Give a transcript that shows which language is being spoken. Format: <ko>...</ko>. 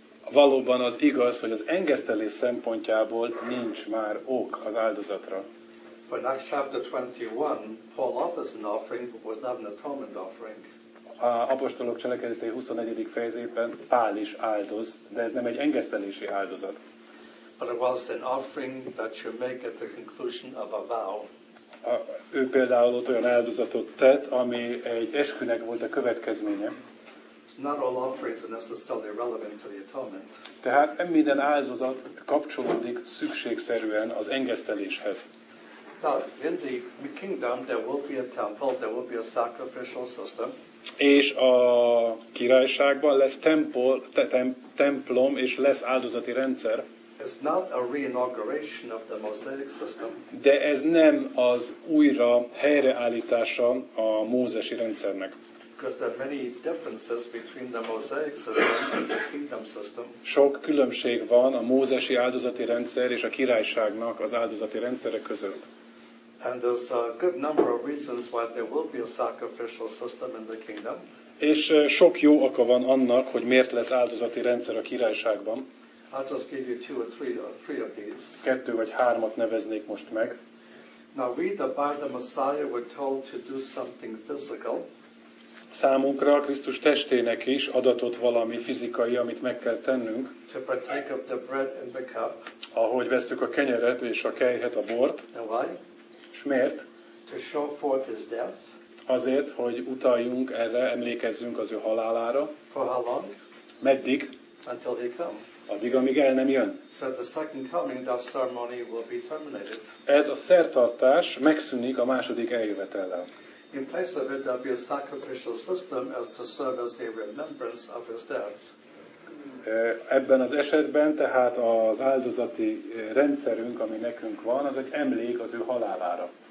<hu>Valóban az igaz, hogy az engesztelés szempontjából nincs már ok az áldozatra.</hu> <en>But in Acts chapter 21, Paul offers an offering, but was not an atonement offering.</en> <hu>A apostolok cselekedetei 21. fejezetében Pál is áldoz, de ez nem egy engesztelési áldozat.</hu> <en>But it was an offering that you make at the conclusion of a vow.</en> <hu>Ő például ott olyan áldozatot tett, ami egy eskünek volt a következménye.</hu> <en>Not all offerings are necessarily relevant to the atonement.</en> <hu>Tehát nem minden áldozat kapcsolódik szükségszerűen az engeszteléshez.</hu> <en>Now, in the kingdom there will be a temple, there will be a sacrificial system.</en> <hu>És a királyságban lesz templom és lesz áldozati rendszer.</hu> <en>It's not a reinauguration of the Mosaic system.</en> <hu>De ez nem az újra helyreállítása a mózesi rendszernek.</hu> <en>Because there are many differences between the Mosaic system and the kingdom system.</en> <hu>Sok különbség van a mózesi áldozati rendszer és a királyságnak az áldozati rendszere között.</hu> <en>And there's a good number of reasons why there will be a sacrificial system in the kingdom.</en> <hu>És sok jó oka van annak, hogy miért lesz áldozati rendszer a királyságban.</hu> <en>I'll just give you two or three of these.</en> <hu>Kettő vagy hármat neveznék most meg.</hu> <en>Now we, the Messiah, were told to do something physical.</en> <hu>Számunkra a Krisztus testének is adatott valami fizikai, amit meg kell tennünk.</hu> <en>To partake of the bread and the cup.</en> <hu>Ahogy vesszük a kenyeret és a kelyhet, a bort.</hu> <en>And why?</en> <hu>S miért?</hu> <en>To show forth his death.</en> <hu>Azért, hogy utaljunk erre, emlékezzünk az ő halálára.</hu> <en>For how long?</en> <hu>Meddig?</hu> <en>Until he come.</en> <hu>Addig, amíg el nem jön.</hu> <en>So the second coming, that ceremony will be terminated.</en> <hu>Ez a szertartás megszűnik a második eljövetellel.</hu> <en>In place of it, there'll be a sacrificial system as to serve as a remembrance of his death.</en> <hu>Ebben az esetben tehát az áldozati rendszerünk, ami nekünk van, az egy emlék az ő halálára.</hu>